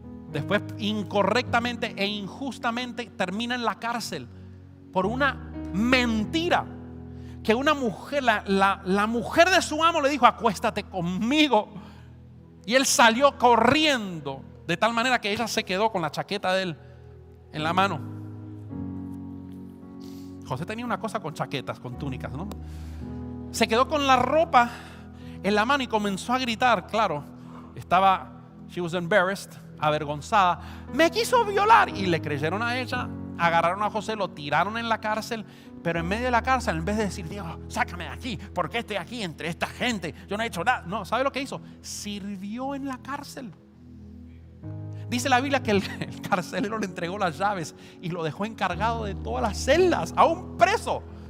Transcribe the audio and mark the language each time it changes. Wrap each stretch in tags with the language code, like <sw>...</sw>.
<es>Después, incorrectamente e injustamente, termina en la cárcel por una mentira que una mujer, la mujer de su amo, le dijo: acuéstate conmigo. Y él salió corriendo, de tal manera que ella se quedó con la chaqueta de él en la mano. José tenía una cosa con chaquetas, con túnicas, ¿no? Se quedó con la ropa en la mano y comenzó a gritar. Claro, estaba,</es> <en>she was embarrassed,</en> <es>avergonzada. Me quiso violar. Y le creyeron a ella, agarraron a José, lo tiraron en la cárcel. Pero en medio de la cárcel, en vez de decir: Dios, sácame de aquí, ¿por qué estoy aquí entre esta gente? Yo no he hecho nada. No, ¿sabe lo que hizo? Sirvió en la cárcel. Dice la Biblia que el carcelero le entregó las llaves y lo dejó encargado de todas las celdas, a un preso.</es>